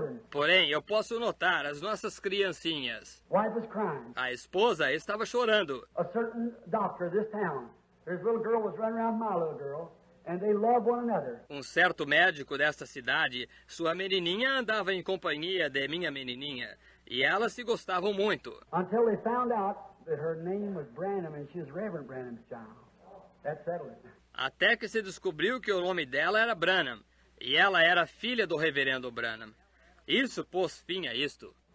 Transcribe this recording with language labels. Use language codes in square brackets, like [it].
[pt] Porém, eu posso notar as nossas criancinhas. A esposa estava chorando. [en] A certain doctor this town, his little girl was running around my little girl. And they love one another. [pt] Um certo médico desta cidade, sua menininha andava em companhia de minha menininha, e elas se gostavam muito. [en] Until they found out that her name was Branham and she was Reverend Branham's child. That settled it. [pt] Até que se descobriu que o nome dela era Branham, e ela era filha do Reverendo Branham. Isso pôs fim a isto.